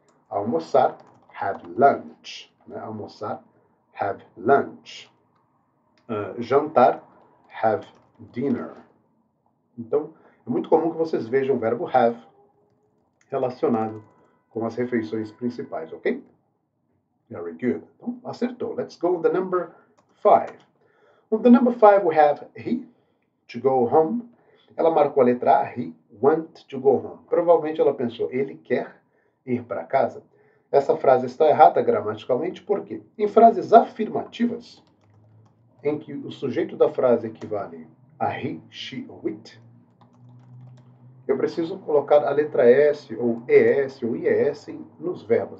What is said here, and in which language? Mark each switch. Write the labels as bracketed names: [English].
[English] Almoçar, have lunch. Né? Almoçar, have lunch. Jantar, have dinner. [Portuguese] Então, é muito comum que vocês vejam o verbo have relacionado com as refeições principais, ok? [English] Very good. [Portuguese] Então, acertou. [English] Let's go to the number five. On the number five, we have he to go home. [Portuguese] Ela marcou a letra A, [English] he wants to go home. [Portuguese] Provavelmente ela pensou, ele quer ir para casa. Essa frase está errada gramaticalmente, por quê? Em frases afirmativas, em que o sujeito da frase equivale a he, she ou it, eu preciso colocar a letra S, ou ES, ou IES nos verbos.